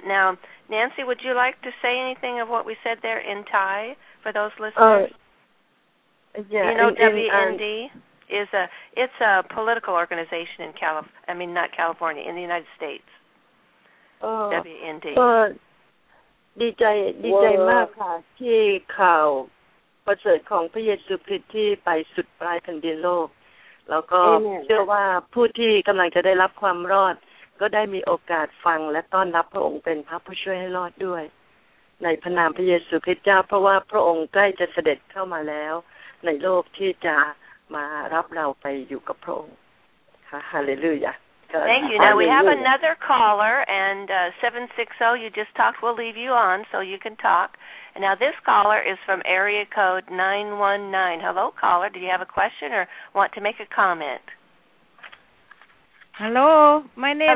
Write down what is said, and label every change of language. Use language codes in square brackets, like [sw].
[en] Now, Nancy, would you like to say anything of what we said there in Thai for those listeners? WND is a political organization in the United States. WND. [th] ดีใจมากค่ะที่ข่าวประเสริฐของพระเยซูคริสต์ที่ไปสุดปลายแผ่นดินโลก แล้วก็เชื่อว่าผู้ที่กำลังจะได้รับความรอดก็ได้มีโอกาสฟังและต้อนรับพระองค์เป็นพระผู้ช่วยให้รอดด้วย ในพระนามพระเยซูคริสต์เจ้าเพราะว่าพระองค์ใกล้จะเสด็จเข้ามาแล้วในโลกที่จะมารับเราไปอยู่กับพระองค์ฮาเลลูยา [en] Thank you. Now we have another caller and 760 you just talked, we'll leave you on so you can talk. And now this caller is from area code 919. Hello caller, do you have a question or want to make a comment? Hello, my name